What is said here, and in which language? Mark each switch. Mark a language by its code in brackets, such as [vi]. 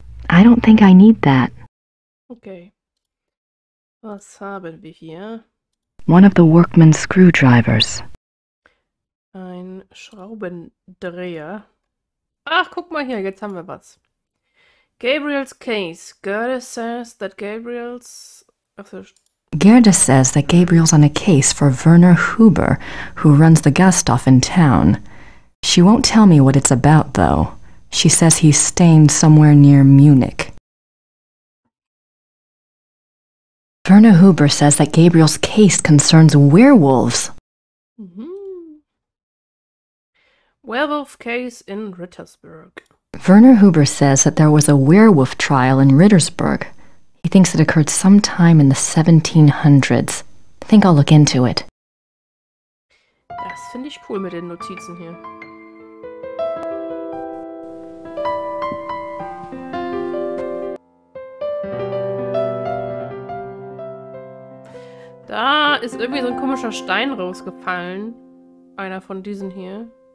[en] I don't think I need that. [de] Okay. Was haben wir hier? [en] One of the workman's screwdrivers. [de] Ein Schraubendreher. Ach, guck mal hier, jetzt haben wir was. [en] Gabriel's case. Gerda says that Gabriel's on a case for Werner Huber, who runs the Gasthof in town. She won't tell me what it's about, though. She says he's staying somewhere near Munich. Werner Huber says that Gabriel's case concerns werewolves. Mm-hmm. Werewolf case in Rittersberg. Werner Huber says that there was a werewolf trial in Rittersberg. He thinks it occurred sometime in the 1700s. I think I'll look into it. [de] Das finde ich cool mit den Notizen hier. Da ist irgendwie so ein komischer Stein rausgefallen. Einer von diesen hier.